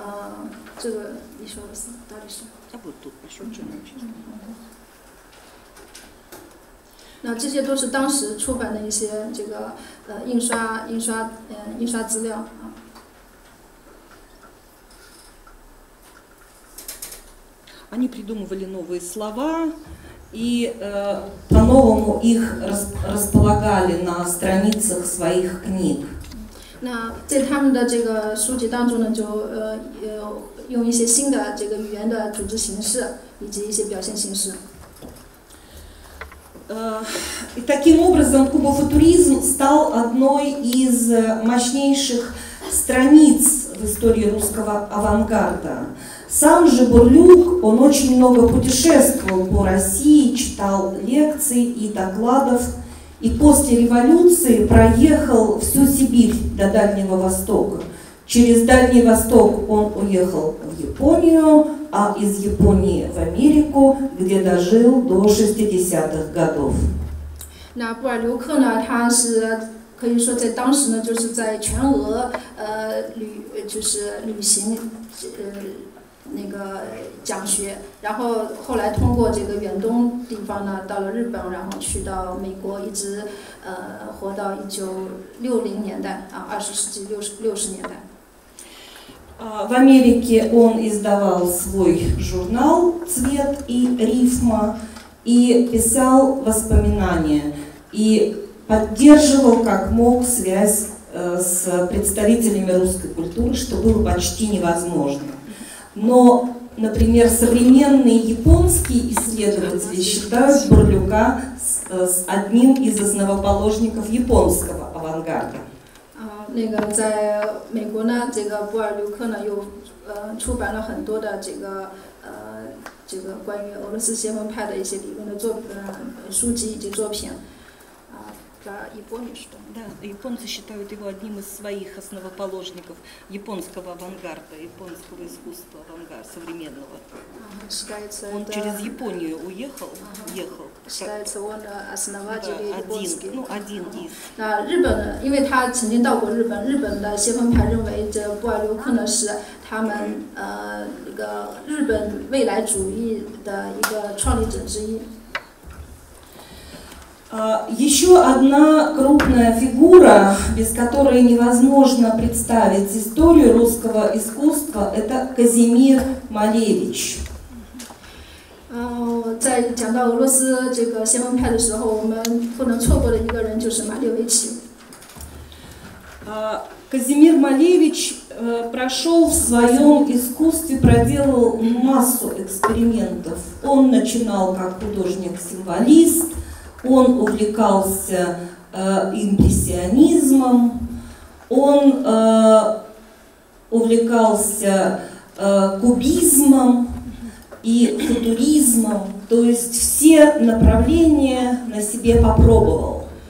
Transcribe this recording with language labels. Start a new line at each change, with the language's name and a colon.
Chinese: 他们这个时期呢，就是我们可以看到1912年出版的这个书啊，是关于情的，我不晓得怎么分析。
Russian: ну просто манифесты скажи。
Chinese: 我们可以看到，这个你说的是到底是？啊不，对，我说这个东西。那这些都是当时出版的一些这个印刷资料。
Russian: Они придумывали новые слова и по-новому их располагали на страницах своих книг.
Chinese: 那在他们的这个书籍当中呢，就用一些新的这个语言的组织形式以及一些表现形式。
Russian: И таким образом кубофутуризм стал одной из мощнейших страниц в истории русского авангарда. Сам же Бурлюк, он очень много путешествовал по России, читал лекции и докладов, и после революции проехал всю Сибирь до Дальнего Востока. Через Дальний Восток он уехал в Японию, а из Японии в Америку, где дожил до 60-х годов.
Chinese: 那布尔留克呢，他是可以说在当时呢，就是在全俄旅行，那个讲学，然后后来通过这个远东地方呢，到了日本，然后去到美国，一直活到1960年代啊，20世纪60年代。
Russian: В Америке он издавал свой журнал «Цвет и рифма» и писал воспоминания, и поддерживал как мог связь с представителями русской культуры, что было почти невозможно. Но, например, современные японские исследователи считают Бурлюка с одним из основоположников японского авангарда.
Chinese: 那个在美国呢，这个布尔留克呢又出版了很多的这个关于俄罗斯先锋派的一些理论的作品书籍以及作品
Russian: Да, японцы считают. Да, японцы считают его одним из своих основоположников японского авангарда, японского искусства авангарда современного. Считается, он через Японию уехал, ехал. Считается, он основатель японский. Один из.
Chinese: 那日本呢？因为他曾经到过日本，日本的先锋派认为这布尔留克呢是他们那个日本未来主义的一个创立者之一。
Russian: Еще одна крупная фигура, без которой невозможно представить историю русского искусства, это Казимир Малевич.
Chinese: 在讲到俄罗斯这个先锋派的时候，我们不能错过的一个人就是马列维奇。
Russian: Казимир Малевич прошел в своем искусстве, проделал массу экспериментов. Он начинал как художник-символист. Он увлекался импрессионизмом, он увлекался кубизмом и футуризмом, то есть все направления на себе попробовал.